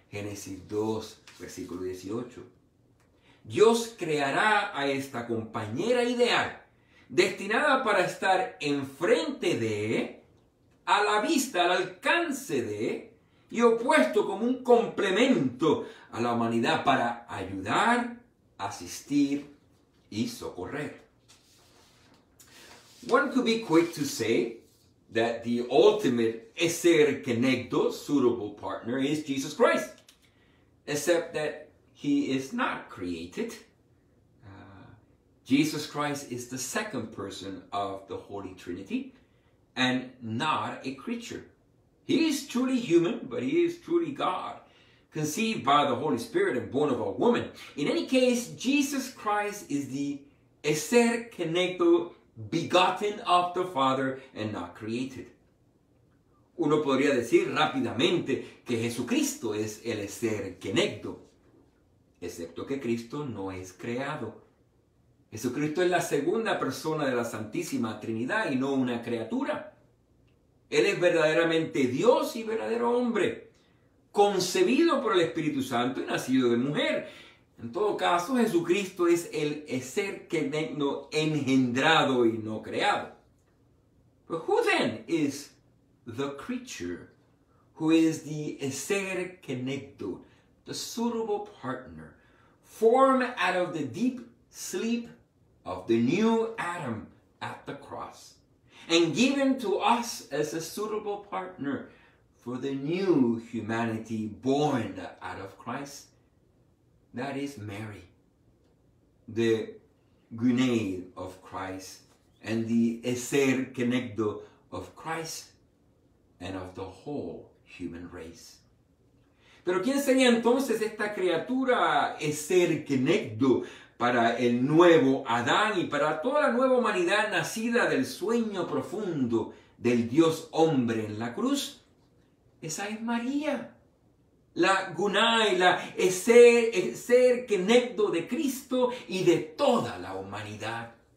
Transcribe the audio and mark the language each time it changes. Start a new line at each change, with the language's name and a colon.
Spanish: Génesis 2, versículo 18. Dios creará a esta compañera ideal, destinada para estar enfrente de, a la vista, al alcance de, y opuesto como un complemento a la humanidad para ayudar, asistir y socorrer.
English: One could be quick to say that the ultimate eser kenegdo, suitable partner, is Jesus Christ, except that He is not created. Jesus Christ is the second person of the Holy Trinity and not a creature. He is truly human, but he is truly God, conceived by the Holy Spirit and born of a woman. In any case, Jesus Christ is the eser kenegdo, begotten of the Father and not created.
Spanish: Uno podría decir rápidamente que Jesucristo es el eser kenegdo, excepto que Cristo no es creado. Jesucristo es la segunda persona de la Santísima Trinidad y no una criatura. Él es verdaderamente Dios y verdadero hombre. concebido por el Espíritu Santo y nacido de mujer. En todo caso, Jesucristo es el ser que no engendrado y no creado.
English: But who then is the creature who is the ser kenecto, the suitable partner, formed out of the deep sleep of the new Adam at the cross, and given to us as a suitable partner for the new humanity born out of Christ? That is Mary, the gunei of Christ, and the eser kenecto of Christ and of the whole human race.
Spanish: Pero ¿quién sería entonces esta criatura eser kenecto para el nuevo Adán y para toda la nueva humanidad nacida del sueño profundo del Dios hombre en la cruz? Esa es María, la gunai, la eser kenecto de Cristo y de toda la humanidad.